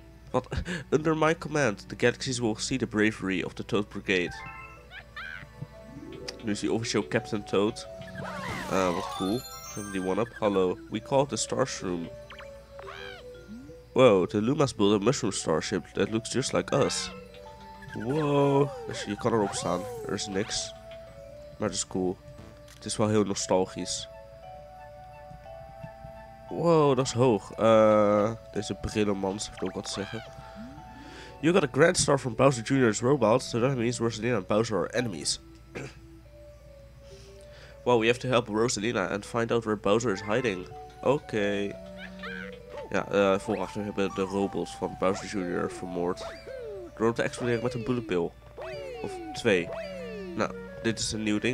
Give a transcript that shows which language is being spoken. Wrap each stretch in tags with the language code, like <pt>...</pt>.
<en>But under my command, the galaxies will see the bravery of the Toad Brigade.</en> <nl>Nu is hij officieel Captain Toad. Wat cool. Hebben die one-up? Hallo.</nl> <en>We call it the Starshroom. Wow, the Lumas build a mushroom starship that looks just like us.</en> <nl>Whoa. Dus je kan erop staan. Er is niks. Maar het is cool. Het is wel heel nostalgisch. Wow, dat is hoog. Deze brillenman heeft ook wat te zeggen.</nl> <en>You got a grand star from Bowser Jr.'s robot, so that means Rosalina and Bowser are enemies. Well, we have to help Rosalina and find out where Bowser is hiding. Okay.</en> <nl>Ja, voorachter hebben de robots van Bowser Jr. vermoord. Door te exploderen met een bullet bill. Of twee. Nou, dit is een nieuw ding.</nl>